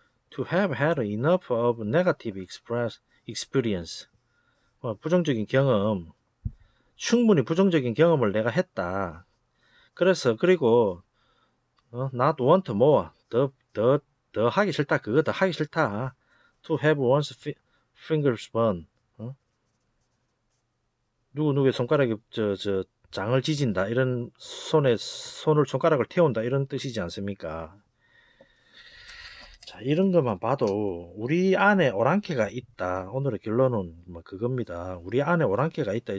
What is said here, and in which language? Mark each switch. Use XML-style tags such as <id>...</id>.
<en>To have had enough of negative experience.</en> <ko>부정적인 경험. 충분히 부정적인 경험을 내가 했다. 그래서 그리고</ko> <en>not want more.</en> <ko>더 하기 싫다. 그거 더 하기 싫다.</ko> <en>To have one's fingers burn.</en> <ko>누구의 손가락이 장을 찢는다. 이런 손을 손가락을 태운다. 이런 뜻이지 않습니까? 자, 이런 것만 봐도 우리 안에 오랑캐가 있다. 오늘의 결론은 뭐 그겁니다. 우리 안에 오랑캐가 있다.</ko>